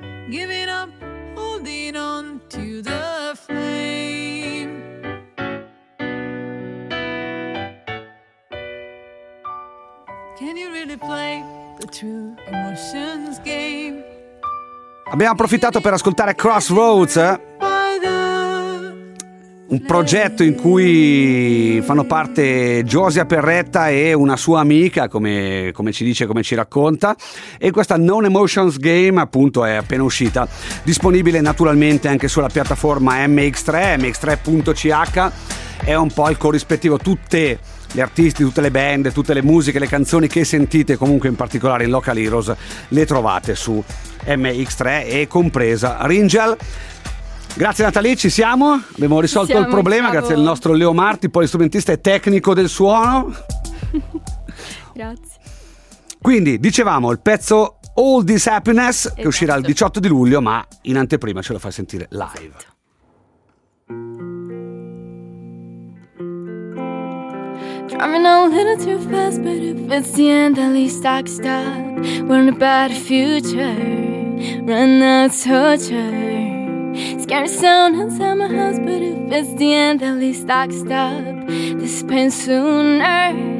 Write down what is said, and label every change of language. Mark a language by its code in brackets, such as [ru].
[en] Giving up, holding on to the flame. Can you really play the true emotions game? [it] Abbiamo approfittato per ascoltare Crossroads, un progetto in cui fanno parte Josia Perretta e una sua amica, come ci dice, come ci racconta. E questa Non Emotions Game, appunto, è appena uscita, disponibile naturalmente anche sulla piattaforma MX3.ch. È un po' il corrispettivo, tutte gli artisti, tutte le band, tutte le musiche, le canzoni che sentite comunque in particolare in Local Heroes le trovate su MX3, e compresa Ringel. Grazie Natalì, ci siamo, abbiamo risolto il problema, bravo. Grazie al nostro Leo Marti, polistrumentista e tecnico del suono. Grazie. Quindi, dicevamo, il pezzo All This Happiness, esatto, che uscirà il 18 di luglio, ma in anteprima ce lo fa sentire live. Esatto. [en] Driving a little too fast, but if it's the end, at least I can stop. We're in a bad future, run out of torture. Scary sound inside my house, but if it's the end, at least I can stop this pain sooner.